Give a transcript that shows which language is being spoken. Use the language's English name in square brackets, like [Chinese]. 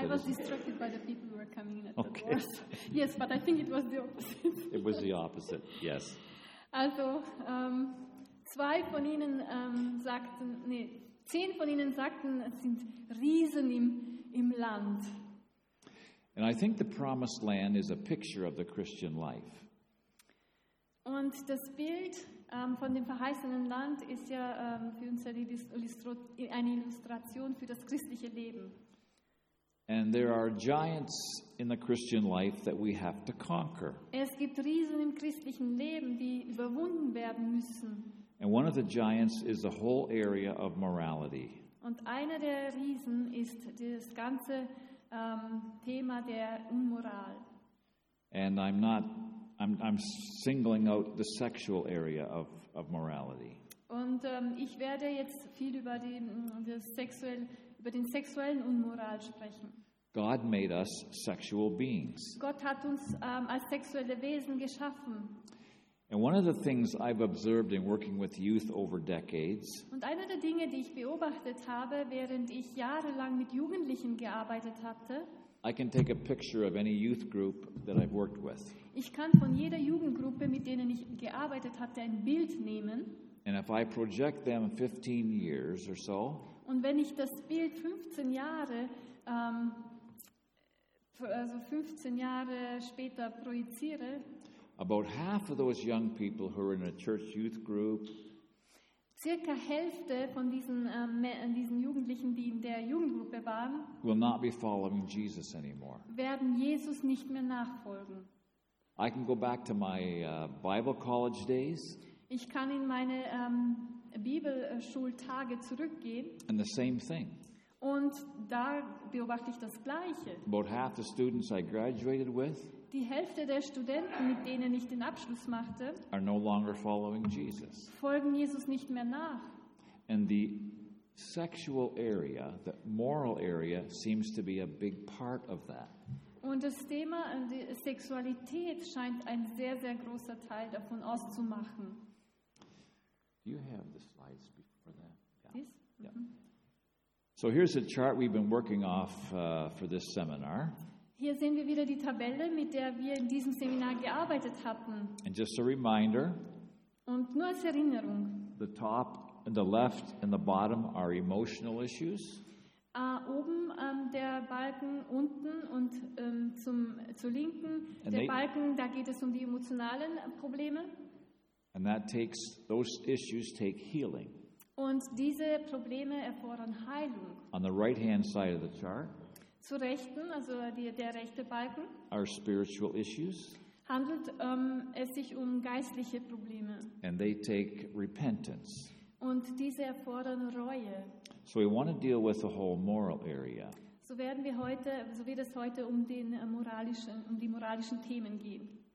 [English] I was distracted by the people who were coming in at the door. Yes, but I think it was the opposite. It was the opposite. Yes. [German] Also, zwei von ihnen sagten, nee, 10 von ihnen sagten, es sind Riesen im Land. [English] And I think the promised land is a picture of the Christian life. [German] Und das Bild von dem verheißenen Land ist ja für uns eine Illustration für das christliche Leben. [English] And there are giants in the Christian life that we have to conquer. [German] Es gibt Riesen im christlichen Leben, die überwunden werden müssen. [English] And one of the giants is the whole area of morality. [German] Und einer der Riesen ist das ganze Thema der Unmoral. [English] And I'm singling out the sexual area of morality. [German] Und ich werde jetzt viel über den sexuellen Unmoral sprechen. [English] God made us sexual beings. [German] Gott hat uns als sexuelle Wesen geschaffen. [English] And one of the things I've observed in working with youth over decades. [German] Und eine der Dinge, die ich beobachtet habe, während ich jahrelang mit Jugendlichen gearbeitet hatte. [English] I can take a picture of any youth group that I've worked with. [German] Ich kann von jeder Jugendgruppe, mit denen ich gearbeitet hatte, ein Bild nehmen. [English] And if I project them 15 years or so. [German] Und wenn ich das Bild 15 Jahre, also 15 Jahre später projiziere. [English] About half of those young people who are in a church youth group. [German] Circa Hälfte von diesen Jugendlichen, die in der Jugendgruppe waren, [English] will not be following Jesus anymore. [German] Werden Jesus nicht mehr nachfolgen. [English] I can go back to my Bible college days. [German] Ich kann in meine Bibelschultage zurückgehen. [English] And the same thing. [German] Und da beobachte ich das Gleiche. [English] About half the students I graduated with. [German] Die Hälfte der Studenten, mit denen ich den Abschluss machte, [English] are no longer following Jesus. [German] Folgen Jesus nicht mehr nach. [English] And the sexual area, the moral area, seems to be a big part of that. [German] Und das Thema die Sexualität scheint ein sehr, sehr großer Teil davon auszumachen. [English] Do you have the slides before that? Yeah. This? Yeah. So here's a chart we've been working off for this seminar. [German] Hier sehen wir wieder die Tabelle, mit der wir in diesem Seminar gearbeitet hatten. [English] And just a reminder, [German] und nur als Erinnerung. [English] The top and the left and the bottom are emotional issues. [German] Oben der Balken unten und zur linken der Balken, da geht es um die emotionalen Probleme. [English] And that takes, those issues take healing. [German] Und diese Probleme erfordern Heilung. [English] On the right hand side of the chart, [German] zu rechten, also der rechte Balken, [English] our spiritual issues, [German] handelt es sich um geistliche Probleme. [English] And they take repentance. [German] Und diese erfordern Reue. [English] So we want to deal with the whole moral area. [German] So werden wir heute, so wird es heute die moralischen Themen gehen.